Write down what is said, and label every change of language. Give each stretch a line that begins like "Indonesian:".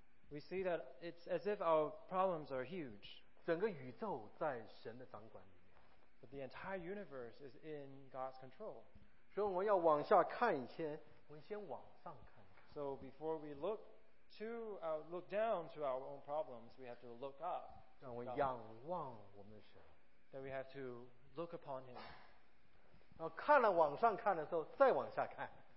English: We see that it's as if our problems are huge.
Chinese: 整个宇宙在神的掌管里面.
English: But the entire universe is in God's control.
Chinese: 所以我们要往下看一些, 我们先往上看.
English: So before we look down to our own problems, we have to look up. Then we have to look upon Him.
Chinese: 然后看了往上看的时候再往下看.